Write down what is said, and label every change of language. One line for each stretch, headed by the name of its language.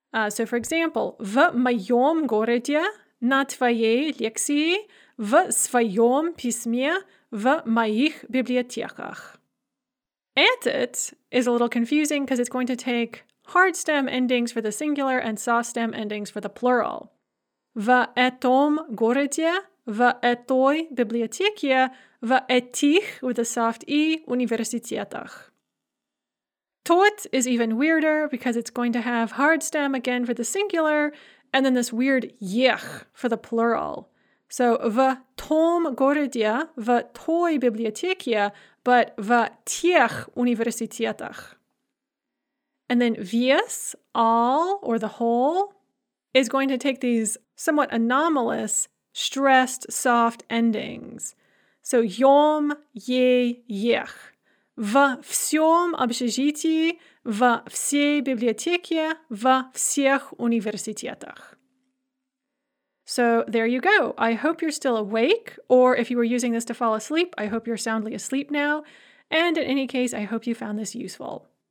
English: So, for example,
Russian: в моем городе на твоей лекции, в своем письме, в моих библиотеках.
English: Ant it is a little confusing because it's going to take hard stem endings for the singular and soft stem endings for the plural.
Russian: В этом городе, в этой библиотеке, в этих,
English: with a soft E,
Russian: университетах.
English: Тот is even weirder because it's going to have hard stem again for the singular and then this weird ех for the plural. So
Russian: в том городе, в той библиотеке,
English: but
Russian: в тех университетах.
English: And then вес, all or the whole, is going to take these somewhat anomalous stressed soft endings. So
Russian: йом, е, ех. В всем общежитии, в всей библиотеке, в всех университетах.
English: So there you go. I hope you're still awake, or if you were using this to fall asleep, I hope you're soundly asleep now. And in any case, I hope you found this useful.